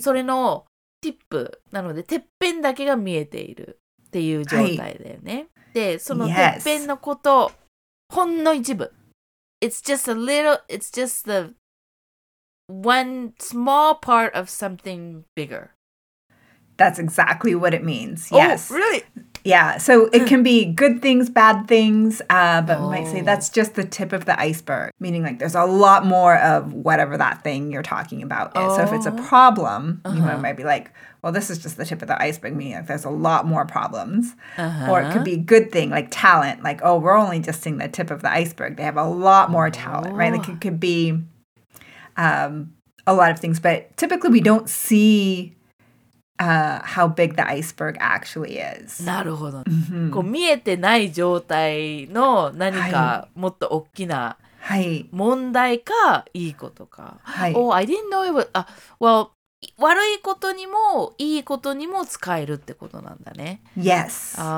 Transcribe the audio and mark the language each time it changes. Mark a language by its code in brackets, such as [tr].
[ja] それのティップなので、てっぺんだけが見えているっていう状態だよね。はい、で、そのてっぺんのこと、ほんの一部。 [en] It's just a little, it's just theOne small part of something bigger. That's exactly what it means. Yes. Oh, really? Yeah. So it can be good things, bad things, but we might say that's just the tip of the iceberg, meaning like there's a lot more of whatever that thing you're talking about is. So if it's a problem, you might be like, well, this is just the tip of the iceberg, meaning like there's a lot more problems. Or it could be a good thing, like talent, like, oh, we're only just seeing the tip of the iceberg. They have a lot more talent, right? Like it could be... a lot of things, but typically we don't see、how big the iceberg actually is. [ja] なるほど、ね。Mm-hmm. こう見えてない状態の何かもっと大きな問題かいいことか。はい、 [en] oh, I didn't know it was...、well, [ja] 悪いことにもいいことにも使えるってことなんだね。 [en] Yes.